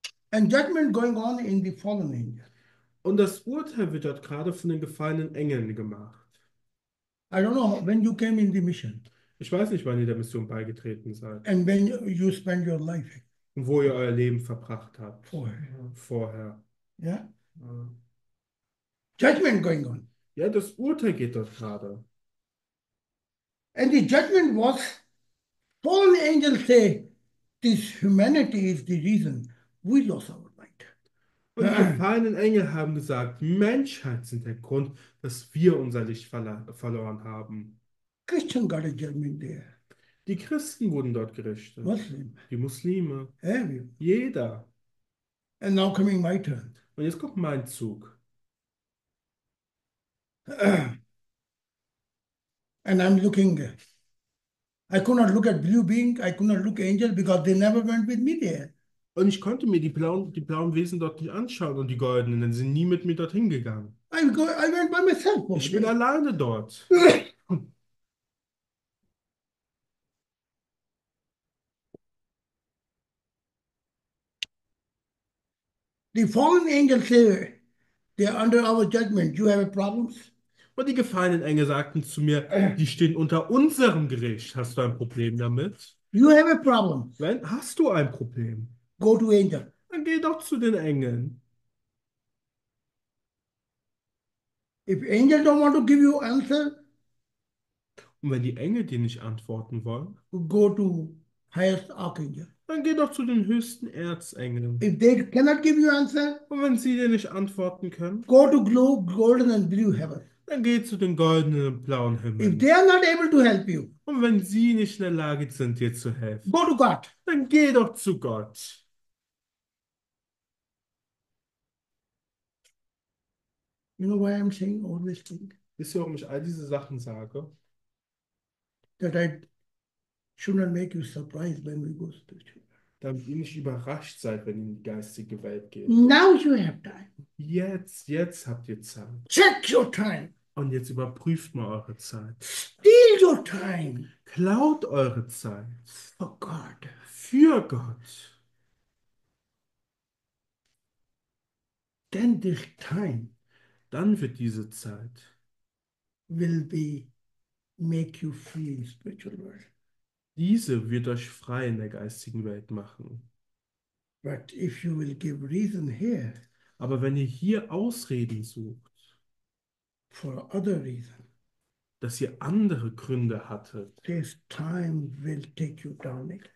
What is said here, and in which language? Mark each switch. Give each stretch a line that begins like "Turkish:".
English: And judgment going on in the fallen angels.
German: Und das Urteil wird dort gerade von den gefallenen Engeln gemacht.
English: I don't know when you came in the mission.
German: Ich weiß nicht, wann ihr der Mission beigetreten seid.
English: And when you spend your life
German: Und wo ihr euer Leben verbracht habt.
English: for.
German: Vorher.
English: Yeah?
German: Ja,
English: Judgment going on.
German: das Urteil geht dort gerade.
English: And the judgment was, fallen angels say, this humanity is the reason we lost our
German: Und die
English: light.
German: gefallenen Engel haben gesagt, Menschheit sind der Grund, dass wir unser Licht verloren haben.
English: Christian got a judgment there.
German: Die Christen wurden dort gerichtet.
English: Muslim.
German: Die Muslime.
English: Everyone.
German: Jeder.
English: And now coming my turn.
German: Und jetzt kommt mein Zug.
English: And I'm looking. I could not look at blue being. I could not look angel because they never went with me there.
German: Und ich konnte mir die blauen Wesen dort nicht anschauen und die goldenen, denn sie sind nie mit mir dorthin gegangen. Ich bin
English: I
German: alleine dort.
English: went myself. The fallen angels say, they are under our judgment. You have problems?
German: Und die gefallenen Engel sagten zu mir, die stehen unter unserem Gericht. Hast du ein Problem damit?
English: You have a problem.
German: Wenn, hast du ein Problem?
English: Go to Angel.
German: Dann geh doch zu den Engeln.
English: If Angel don't want to give you answer,
German: Und wenn die Engel dir nicht antworten wollen,
English: go to highest Archangel.
German: dann geh doch zu den höchsten Erzengeln.
English: If they cannot give you answer,
German: Und wenn sie dir nicht antworten können,
English: go to glow golden and blue heaven.
German: dann geht zu den goldenen blauen
English: If they
German: Himmeln.
English: are not able to help you,
German: Und wenn sie nicht in der Lage sind, dir zu
English: go
German: helfen,
English: to God.
German: dann geh doch zu Gott.
English: You know why I'm saying all these things?
German: Wisst ihr, warum ich all diese Sachen sage?
English: That I should not make you surprised when we go spiritual.
German: Damit ihr nicht überrascht seid, wenn ihr in die geistige Welt geht.
English: Now you have time.
German: Jetzt habt ihr Zeit.
English: Check your time.
German: Und jetzt überprüft mal eure Zeit.
English: Your time
German: Klaut eure Zeit
English: for God.
German: für Gott.
English: Then this time
German: Dann wird diese Zeit
English: will be make you free in spiritual world.
German: diese wird euch frei in der geistigen Welt machen.
English: But if you will give reason here
German: Aber wenn ihr hier Ausreden sucht,
English: for other reason,
German: dass ihr andere Gründe hattet,
English: this time will take you down again.